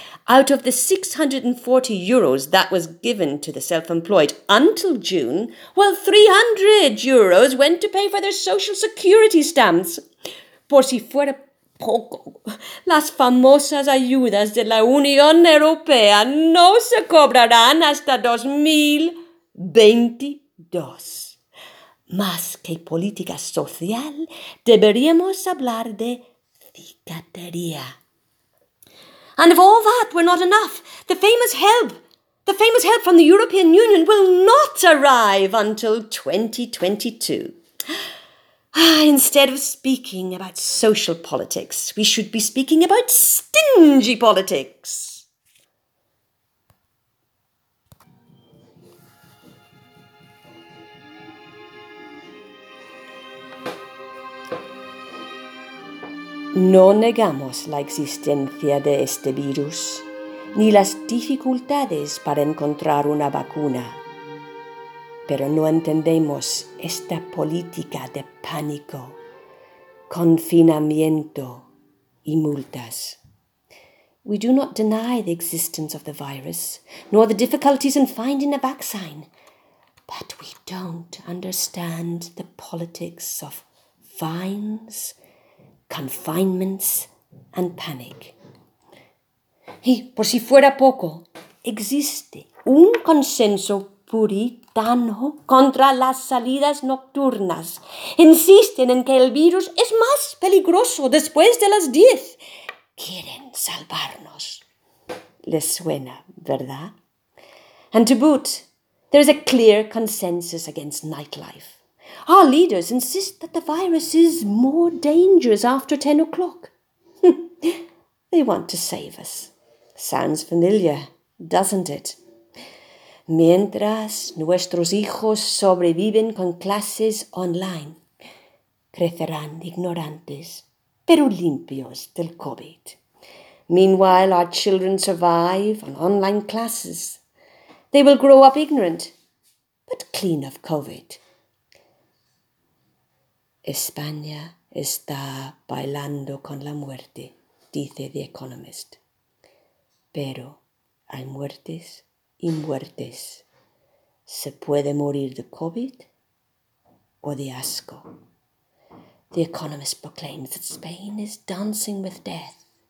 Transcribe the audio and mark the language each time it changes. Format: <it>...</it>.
<en>Out of the 640 euros that was given to the self-employed until June, well, 300 euros went to pay for their social security stamps.</en> <es>Por si fuera poco, las famosas ayudas de la Unión Europea no se cobrarán hasta 2022. Más que política social, deberíamos hablar de cicatería.</es> <en>And if all that were not enough, the famous help from the European Union will not arrive until 2022. Instead of speaking about social politics, we should be speaking about stingy politics.</en> <es>No negamos la existencia de este virus, ni las dificultades para encontrar una vacuna. Pero no entendemos esta política de pánico, confinamiento y multas.</es> <en>We do not deny the existence of the virus, nor the difficulties in finding a vaccine. But we don't understand the politics of fines, confinements and panic.</en> <es>Y por si fuera poco, existe un consenso puritano contra las salidas nocturnas. Insisten en que el virus es más peligroso después de las 10. Quieren salvarnos. les suena, ¿verdad?</es> <en>And to boot, there is a clear consensus against nightlife. Our leaders insist that the virus is more dangerous after 10 o'clock. They want to save us. Sounds familiar, doesn't it?</en> <es>Mientras nuestros hijos sobreviven con clases online, crecerán ignorantes, pero limpios del COVID.</es> <en>Meanwhile, our children survive on online classes. They will grow up ignorant, but clean of COVID.</en> <es>España está bailando con la muerte, dice The Economist. Pero hay muertes y muertes. ¿Se puede morir de COVID o de asco?</es> <en>The Economist proclaims that Spain is dancing with death.</en>